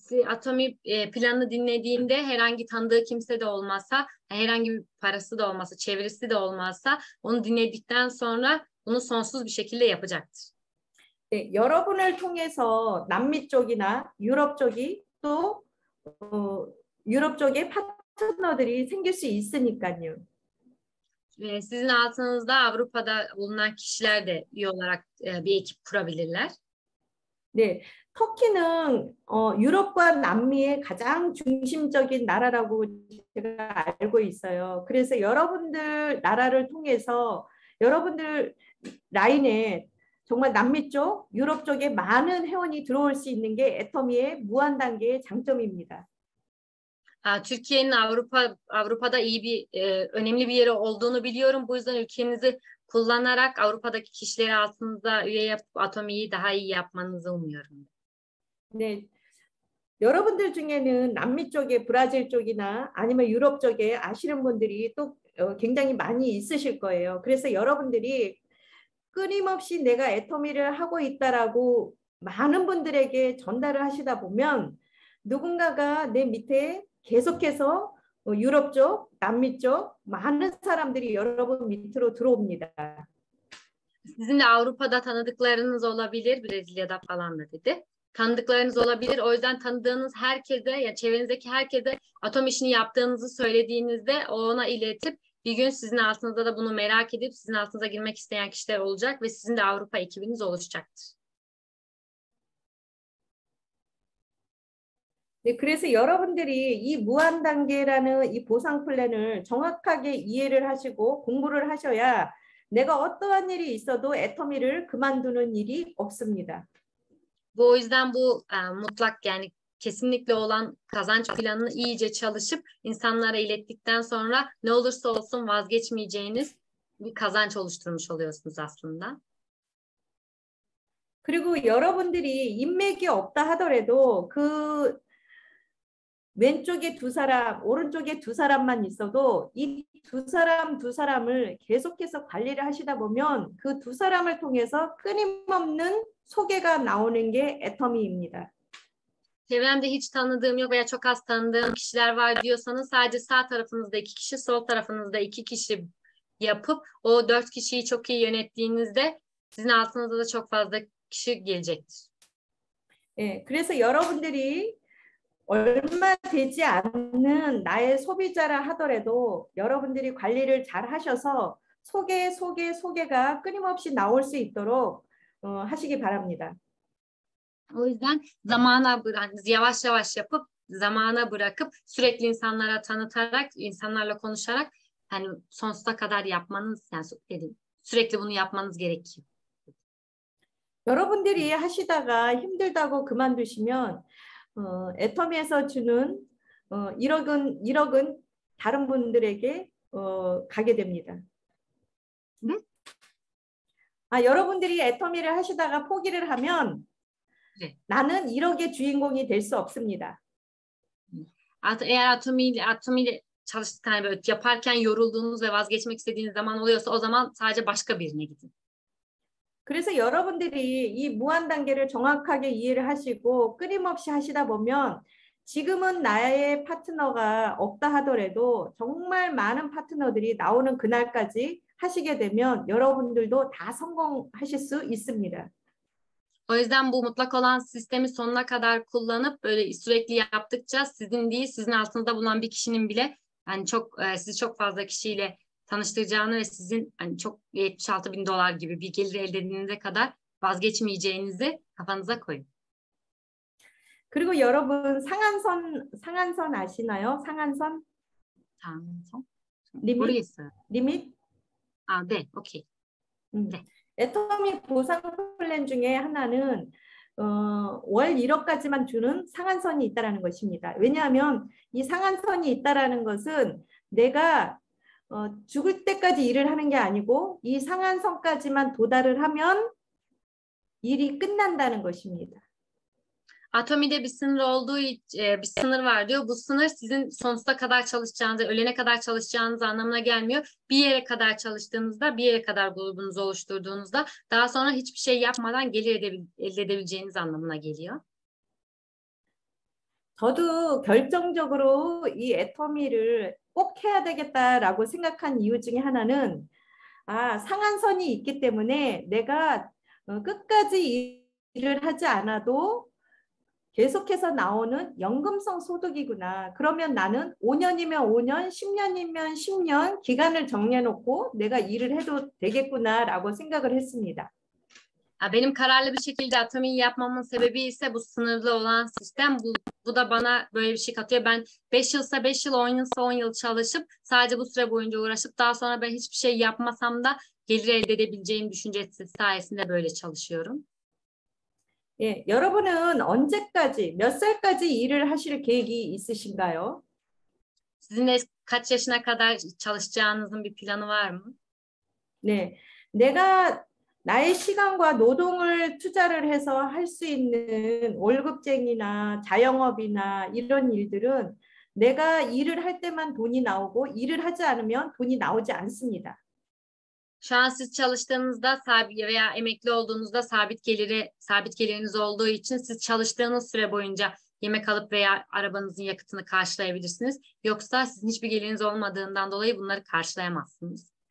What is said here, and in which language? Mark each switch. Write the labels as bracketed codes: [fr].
[tr] Atomi planını dinlediğinde herhangi tanıdığı kimse de olmazsa, herhangi bir parası da olmazsa, çevresi de olmazsa onu dinledikten sonra bunu sonsuz bir şekilde yapacaktır. Evet, [ko] 여러분을 통해서 남미 쪽이나 유럽 쪽이 또 유럽 쪽에 파트너들이 생길 수 있으니까요. [tr] Sizin altınızda Avrupa'da bulunan kişiler de üye olarak bir ekip kurabilirler. [ko] 네, 터키는 유럽과 남미의 가장 중심적인 나라라고 제가 알고 있어요. 그래서 여러분들 나라를 통해서 여러분들 라인에 정말 남미 쪽, 유럽 쪽에 많은 회원이 들어올 수 있는 게 애터미의 무한 단계의 장점입니다. [tr] Türkiye'nin Avrupa'da iyi bir önemli bir yeri olduğunu biliyorum. Bu yüzden ülkenizi kullanarak Avrupa'daki kişileri altınıza üye yapıp Atomi'yi daha iyi yapmanızı umuyorum. [ko] 네. 여러분들 중에는 남미 쪽에 브라질 쪽이나 아니면 유럽 쪽에 아시는 분들이 또 굉장히 많이 있으실 거예요. 그래서 여러분들이 끊임없이 내가 애터미를 하고 있다라고 많은 분들에게 전달을 하시다 보면 누군가가 내 밑에 계속해서 유럽 쪽, 남미 쪽 많은 사람들이 여러분 밑으로 들어옵니다. [tr] Sizin de Avrupa'da tanıdıklarınız olabilir, Brezilya'da falan da dedi. Tanıdıklarınız olabilir. O yüzden tanıdığınız herkese, ya çevrenizdeki herkese atom işini yaptığınızı söylediğinizde ona iletip bir gün sizin altınızda da bunu merak edip sizin altınıza girmek isteyen kişiler olacak ve sizin de Avrupa ekibiniz oluşacaktır. [ko] 네, 그래서 여러분들이 이 무한 단계라는 이 보상 플랜을 정확하게 이해를 하시고 공부를 하셔야 내가 어떠한 일이 있어도 애터미를 그만두는 일이 없습니다. [tr] Bu, o yüzden bu mutlak, yani kesinlikle olan kazanç planını iyice çalışıp insanlara ilettikten sonra ne olursa olsun vazgeçmeyeceğiniz bir kazanç oluşturmuş oluyorsunuz aslında. [ko] 그리고 여러분들이 인맥이 없다 하더라도 그 왼쪽에 두 사람, 오른쪽에 두 사람만 있어도 이두 사람, 두 사람을 계속해서 관리를 하시다 보면 그두 사람을 통해서 끊임없는 소개가 나오는 게 애터미입니다. [tr] Çevremde hiç tanıdığım yok veya çok az tanıdığım kişiler var diyorsanız sadece sağ tarafınızda 2 kişi, sol tarafınızda 2 kişi yapıp o 4 kişiyi çok iyi yönettiğinizde sizin altınızda da çok fazla kişi gelecektir. Evet, [ko] 그래서 여러분들이 얼마 되지 않는 나의 소비자라 하더라도 여러분들이 관리를 잘 하셔서 소개, 소개, 소개가 끊임없이 나올 수 있도록 하시기 바랍니다. [tr] O yüzden zamana bırakınız, yavaş yavaş yapıp zamana bırakıp sürekli insanlara tanıtarak, insanlarla konuşarak hani sonsuza kadar yapmanız, yani sürekli bunu yapmanız gerekiyor. [ko] 여러분들이 하시다가 힘들다고 그만두시면 애터미에서 주는 1억은 다른 분들에게 가게 됩니다. 네? 아, 여러분들이 애터미를 하시다가 포기를 하면 네. 나는 1억의 주인공이 될 수 없습니다. 에어 애터미를 [tr] çalıştıktan böyle yaparken yorulduğunuz ve vazgeçmek istediğiniz zaman oluyorsa o zaman sadece başka birine gidin. [ko] 그래서 여러분들이 이 무한 단계를 정확하게 이해를 하시고 끊임없이 하시다 보면 지금은 나의 파트너가 없다 하더라도 정말 많은 파트너들이 나오는 그날까지 하시게 되면 여러분들도 다 성공하실 수 있습니다. [tr] O yüzden bu mutlak olan sistemi sonuna kadar kullanıp böyle sürekli yaptıkça sizin değil sizin altında bulunan bir kişinin bile hani çok sizi çok fazla kişiyle tanıştıracağını ve sizin hani çok 76 bin dolar gibi bir gelir elde edildiğine kadar vazgeçmeyeceğinizi kafanıza koyun. [ko] 그리고 여러분 상한선 아시나요? 상한선? 상한선? 리밋? 모르겠어요. 리밋? 아, 네. 오케이. 네. 애터미 보상 플랜 중에 하나는 월 1억까지만 주는 상한선이 있다라는 것입니다. 왜냐하면 이 상한선이 있다라는 것은 내가 죽을 때까지 일을 하는 게 아니고 이 상한선까지만 도달을 하면 일이 끝난다는 것입니다. [tr] 아토미'de bir sınır olduğu bir sınır var diyor. Bu sınır sizin sonsuza kadar çalışacağınız, ölene kadar çalışacağınız anlamına gelmiyor. Bir yere kadar çalıştığınızda, bir yere kadar grubunuzu oluşturduğunuzda daha sonra hiçbir şey yapmadan gelir elde edebileceğiniz anlamına geliyor. [ko] 저도 결정적으로 이 애터미를 꼭 해야 되겠다라고 생각한 이유 중에 하나는 아, 상한선이 있기 때문에 내가 끝까지 일을 하지 않아도 계속해서 나오는 연금성 소득이구나. 그러면 나는 5년이면 5년, 10년이면 10년 기간을 정해놓고 내가 일을 해도 되겠구나라고 생각을 했습니다. [tr] 아, benim kararlı bir şekilde atomiyi yapmamın sebebi ise bu sınırlı olan sistem. Bu da bana böyle bir şey katıyor. Ben 5 yılsa 5 yıl, 10 yılsa 10 yıl çalışıp sadece bu süre boyunca uğraşıp daha sonra ben hiçbir şey yapmasam da gelir elde edebileceğim düşüncesi sayesinde böyle çalışıyorum. [ko] 예, 여러분은 언제까지, 몇 살까지 일을 하실 계획이 있으신가요? 지금의 [tr] kaç yaşına kadar çalışacağınızın bir planı var mı? [ko] 네, 내가 나의 시간과 노동을 투자를 해서 할 수 있는 월급쟁이나 자영업이나 이런 일들은 내가 일을 할 때만 돈이 나오고 일을 하지 않으면 돈이 나오지 않습니다. [tr] Şu an siz çalıştığınızda sabit veya emekli olduğunuzda sabit geliriniz olduğu için siz çalıştığınız süre boyunca yemek alıp veya arabanızın yakıtını karşılayabilirsiniz. Yoksa sizin hiçbir geliriniz olmadığından dolayı bunları karşılayamazsınız.